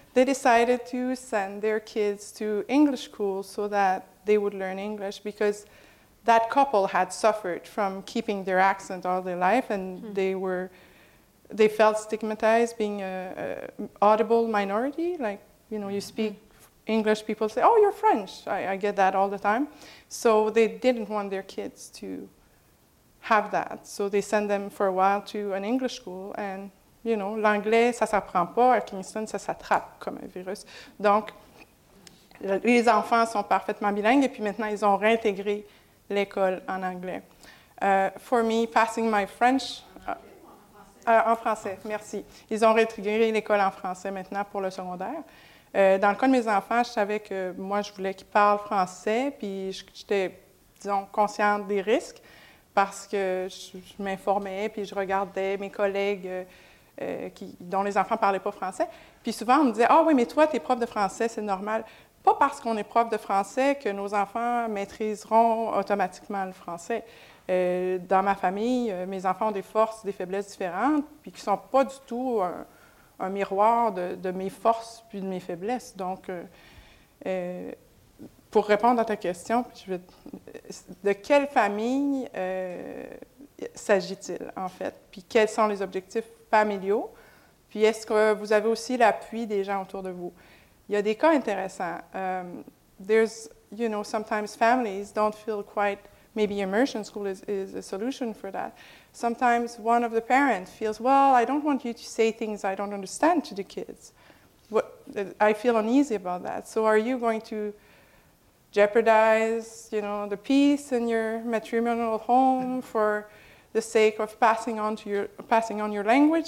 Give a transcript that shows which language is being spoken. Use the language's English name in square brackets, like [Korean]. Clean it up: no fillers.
[English] They decided to send their kids to English schools so that they would learn English because that couple had suffered from keeping their accent all their life, and they felt stigmatized being an audible minority. Like, you know, you speak English, people say, oh, you're French. I get that all the time. So they didn't want their kids to have that. So they send them for a while to an English school. And, you know, [French] l'anglais, ça s'apprend pas. À Kingston, ça s'attrape comme un virus. Donc, les enfants sont parfaitement bilingues. Et puis maintenant, ils ont réintégré l'école en anglais. [English] For me, passing my French... [French] en français, merci. Ils ont réintégré l'école en français maintenant pour le secondaire. Dans le cas de mes enfants, je savais que moi, je voulais qu'ils parlent français, puis j'étais, disons, consciente des risques parce que je m'informais, puis je regardais mes collègues dont les enfants ne parlaient pas français. Puis souvent, on me disait, ah oui, mais toi, tu es prof de français, c'est normal. Pas parce qu'on est prof de français que nos enfants maîtriseront automatiquement le français. Dans ma famille, mes enfants ont des forces, des faiblesses différentes, puis qui ne sont pas du tout un miroir de mes forces puis de mes faiblesses. Donc, pour répondre à ta question, de quelle famille s'agit-il, en fait? Puis quels sont les objectifs familiaux? Puis est-ce que vous avez aussi l'appui des gens autour de vous? Il y a des cas intéressants. [English] There's, you know, sometimes families don't feel quite... Maybe immersion school is a solution for that. Sometimes one of the parents feels, well, I don't want you to say things I don't understand to the kids. What, I feel uneasy about that. So are you going to jeopardize, you know, the peace in your matrimonial home for the sake of passing on your language?